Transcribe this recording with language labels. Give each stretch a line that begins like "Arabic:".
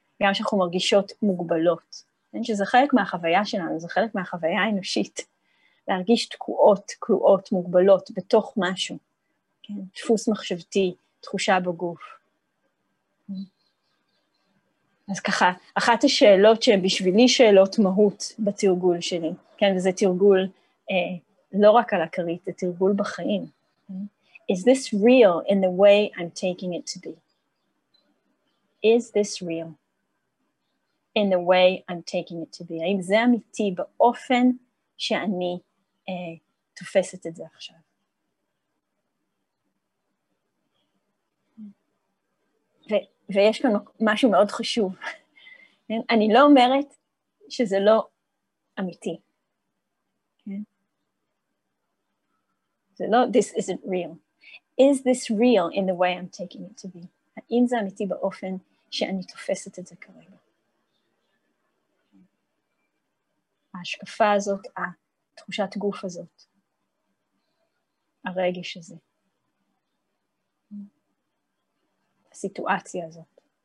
Hebrew: גם כשאנחנו מרגישות מוגבלות, כן? שזה חלק מהחוויה שלנו, זה חלק מהחוויה האנושית, להרגיש תקועות, קלועות, מוגבלות, בתוך משהו, כן? דפוס מחשבתי, תחושה בגוף. אז ככה, אחת השאלות שבשבילי שאלות מהות בתרגול שלי, כן, וזה תרגול לא רק על הכרית, זה תרגול בחיים.
English: Is this real in the way I'm taking it to be? Is this real in the way I'm taking it to be?
Hebrew: האם זה אמיתי באופן שאני תופסת את זה עכשיו? ויש כאן משהו מאוד חשוב. אני לא אומרת שזה לא אמיתי. זה לא,
English: this isn't real. Is this real in the way I'm taking it to be?
Hebrew: האם זה אמיתי באופן שאני תופסת את זה כרגע? ההשקפה הזאת, התחושת גוף הזאת, הרגש הזה. הסיטואציה הזאת.